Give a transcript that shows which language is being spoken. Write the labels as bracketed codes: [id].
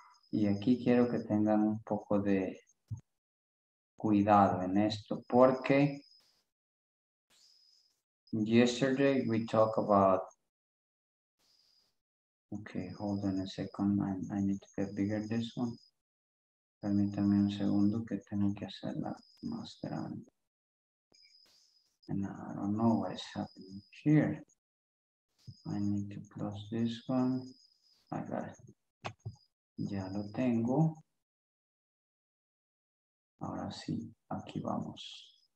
[es] Y aquí quiero que tengan un poco de cuidado en esto, porque [en] Yesterday we talked about, okay, hold on a second, I need to get bigger this one. [es] Permítame un segundo que tengo que hacerla más grande. [en] And I don't know what is happening here. I need to plus this one. I got it. [es] Ya lo tengo. Ahora sí, aquí vamos.